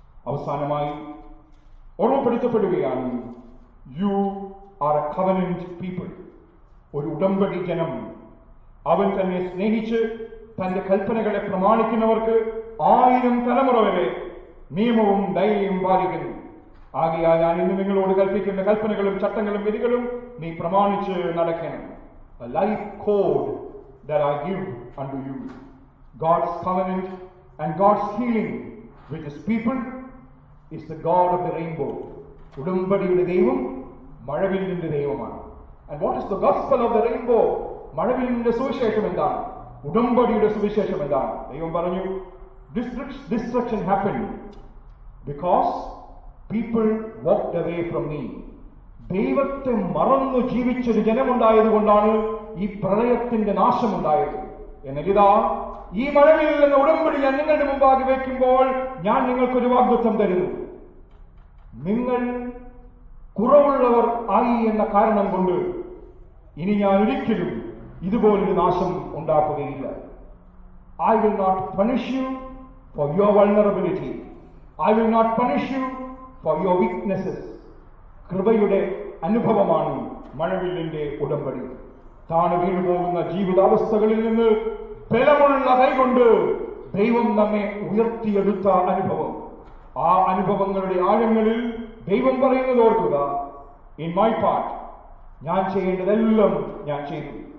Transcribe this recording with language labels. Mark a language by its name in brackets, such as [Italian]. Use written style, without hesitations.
[Malayalam] അവസാനമായി ഓർമ്മപ്പെടുത്തപ്പെടുകയാണ്, [English] You are a covenant people. [Malayalam] ഒരു ഉടമ്പടി ജനം. അവൻ തന്നെ സ്നേഹിച്ച് തന്റെ കൽപ്പനകളെ പ്രമാണിക്കുന്നവർക്ക് ആയിരം തലമുറ വരെ നിയമവും ദയയും പാലിക്കുന്നു. ആകെയാ ഞാൻ ഇന്ന് നിങ്ങളോട് കൽപ്പിക്കുന്ന കൽപ്പനകളും ചട്ടങ്ങളും വിധികളും നീ പ്രമാണിച്ച് നടക്കണം. [English] A life code that I give unto you. God's covenant and God's healing with his people is the God of the rainbow. [Malayalam] ഉടമ്പടിയുടെ ദൈവം മഴവില്ലിന്റെ ദൈവമാണ്. [English] And what is the gospel of the rainbow? [Malayalam] മഴവില്ലിന്റെ സുവിശേഷം എന്താണ്? ഉടമ്പടിയുടെ സുവിശേഷം എന്താണ്? ദൈവം പറഞ്ഞു, [English] destruction happened because people walked away from me. [Malayalam] ദൈവത്തെ മറന്നു ജീവിച്ചൊരു ജനമുണ്ടായത് കൊണ്ടാണ് ഈ പ്രളയത്തിന്റെ നാശമുണ്ടായത്. എന്നാൽ ഈ മഴവില്ലിൽ നിന്ന് ഉടമ്പടി ഞാൻ നിങ്ങളുടെ മുമ്പാകെ വയ്ക്കുമ്പോൾ ഞാൻ നിങ്ങൾക്കൊരു വാഗ്ദത്തം തരുന്നു. നിങ്ങൾ കുറവുള്ളവർ ആയി എന്ന കാരണം കൊണ്ട് ഇനി ഞാൻ ഒരിക്കലും ഇതുപോലൊരു നാശം ഉണ്ടാക്കുകയില്ല. [English] I will not punish you for your vulnerability. I will not punish you for your weaknesses. [Malayalam] കൃപയുടെ അനുഭവമാണ് മഴവില്ലിന്റെ ഉടമ്പടി. താൻ വീണുപോകുന്ന ജീവിതാവസ്ഥകളിൽ നിന്ന് ബലമുള്ള കൈകൊണ്ട് ദൈവം നമ്മെ ഉയർത്തിയെടുത്ത അനുഭവം. ആ അനുഭവങ്ങളുടെ ആഴങ്ങളിൽ ദൈവം പറയുന്നത് ഓർക്കുക, [English] in my part [Malayalam] ഞാൻ ചെയ്യേണ്ടതെല്ലാം ഞാൻ ചെയ്തു.